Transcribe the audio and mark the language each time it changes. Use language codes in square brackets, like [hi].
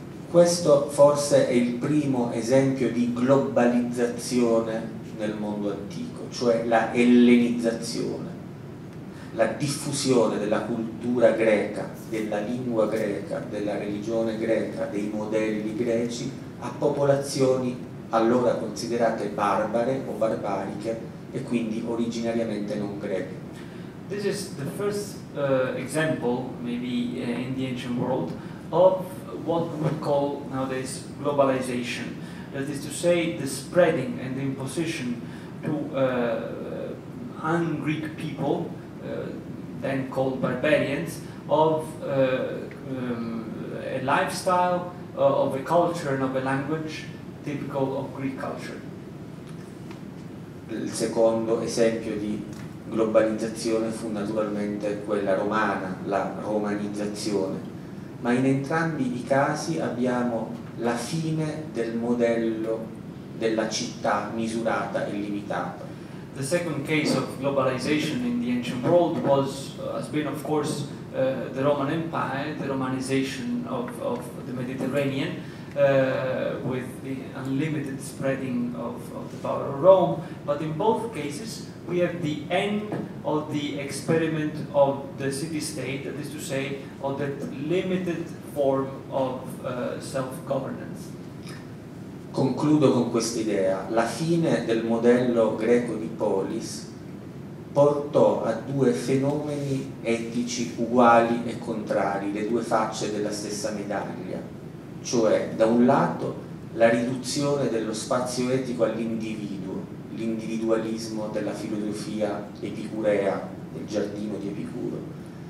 [it] Questo forse è il primo esempio di globalizzazione nel mondo antico, cioè la ellenizzazione, la diffusione della cultura greca, della lingua greca, della religione greca, dei modelli greci a popolazioni allora considerate barbare o barbariche e quindi originariamente non greche. [en] This is the first example, maybe in the ancient world, of what we call nowadays globalization. That is to say, the spreading and the imposition to un-Greek people, then called barbarians, of a lifestyle, of a culture and of a language typical of Greek culture. [it] Il secondo esempio di globalizzazione fu naturalmente quella romana, la romanizzazione, ma in entrambi i casi abbiamo la fine del modello della città misurata e limitata. [en] The second case of globalization in the ancient world was, has been of course, the Roman Empire, the romanization of the Mediterranean, with the unlimited spreading of the power of Rome, but in both cases we have the end of the experiment of the city-state, that is to say, of that limited form of self-governance. [it] Concludo con questa idea. La fine del modello greco di polis portò a due fenomeni etici uguali e contrari, le due facce della stessa medaglia. Cioè, da un lato, la riduzione dello spazio etico all'individuo, l'individualismo della filosofia epicurea, del giardino di Epicuro,